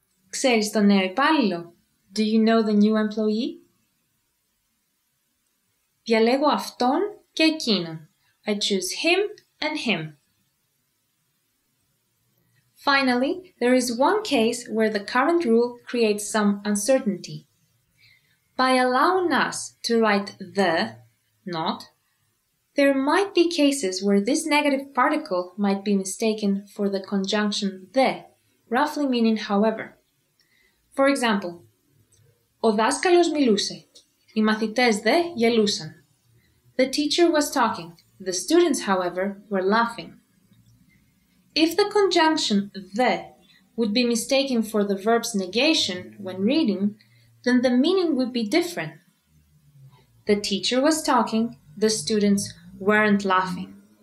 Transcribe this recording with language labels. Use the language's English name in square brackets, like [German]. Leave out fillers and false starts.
[Greek] Ξέρεις τον νέο υπάλληλο? [English] Do you know the new employee? [Greek] Διαλέγω αυτόν και εκείνον. [English] I choose him and him. Finally, there is one case where the current rule creates some uncertainty. By allowing us to write the, not, there might be cases where this negative particle might be mistaken for the conjunction the, roughly meaning however. For example, [Greek] ο δάσκαλος μιλούσε, οι μαθητές δε γελούσαν. [English] The teacher was talking, the students, however, were laughing. If the conjunction δε would be mistaken for the verb's negation when reading, then the meaning would be different. the teacher was talking, the students weren't laughing.